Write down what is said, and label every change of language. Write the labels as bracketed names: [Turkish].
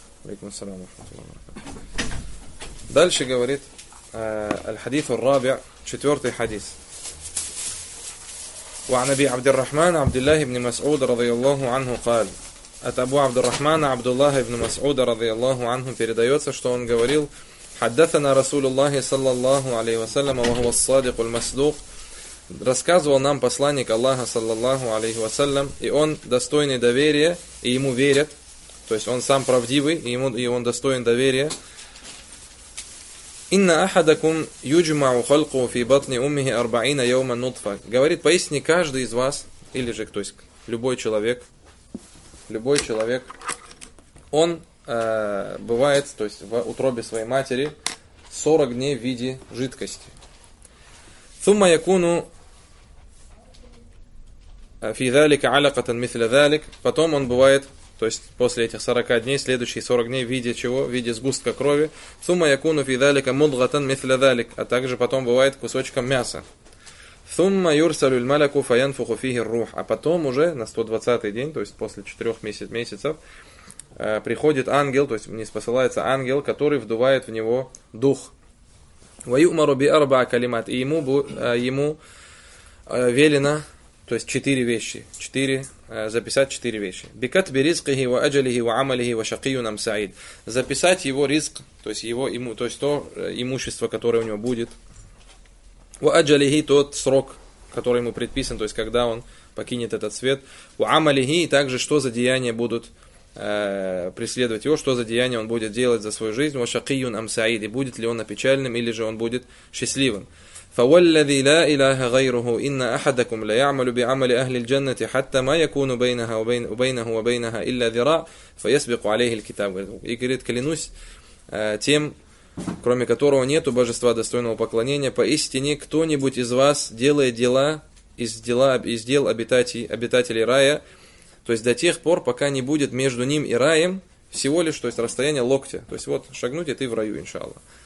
[Arabic] عليكم السلام ورحمة الله وبركاته. دلش قوريت الحديث الرابع شتورتي حديث وعن أبي عبد الرحمن عبد الله بن مسعود رضي الله عنه قال أبو عبد الرحمن عبد الله بن مسعود رضي الله عنه [Russian] передается, что он говорил: [Arabic] حدثنا رسول الله صلى الله عليه وسلم وهو الصادق المصدوق. [Russian] Рассказывал нам посланник Аллаха [Arabic] صلى الله عليه وسلم, [Russian] и он достойный доверия, и ему верят, то есть он сам правдивый, и ему и он достоин доверия. [Arabic] إن أحدكم يجمع خلقه في بطن أمه 40 يوما نطفة. [Russian] Говорит, поистине каждый из вас, или же, то есть любой человек, он бывает, то есть в утробе своей матери 40 дней в виде жидкости. [Arabic] ثم يكون في ذلك علقة مثل ذلك. [Russian] Потом он бывает, то есть после этих 40 дней, следующие 40 дней в виде чего? В виде сгустка крови. [Arabic] ثم يكون في ذلك مضغة مثل ذلك. [Russian] А также потом бывает кусочком мяса. [Arabic] ثم يرسل الملك فينفخ فيه الروح. [Russian] А потом уже на 120-й день, то есть после 4 месяцев, приходит ангел, то есть ниспосылается ангел, который вдувает в него дух. [Arabic] ويؤمر بأربع كلمات. [Russian] И ему велено, то есть 4 вещи, записать 4 вещи. [Arabic] بكتب رزقه وأجله وعمله وشقي أم سعيد. [Russian] Записать его риск, то есть его ему, то есть то имущество, которое у него будет. [Arabic] وأجله [Russian] тот срок, который ему предписан, то есть когда он покинет этот свет. [Arabic] وعمله [Russian] также, что за деяния будут преследовать его, что за деяния он будет делать за свою жизнь. [Arabic] وشقي أم سعيد. [Russian] Будет ли он опечаленным или же он будет счастливым. [Arabic] فوالذي لا إله غيره إن أحدكم لا يعمل بعمل أهل الجنة حتى ما يكون بينها وبينه وبينها إلا ذراع فيسبق عليه الكتاب. [Russian] И говорит, клянусь тем, кроме которого нету божества достойного поклонения, поистине кто-нибудь из вас делает дела из дел обитателей рая, то есть до тех пор, пока не будет между ним и раем всего лишь, то есть расстояние локтя, то есть вот шагнуть и ты в раю, иншаллах.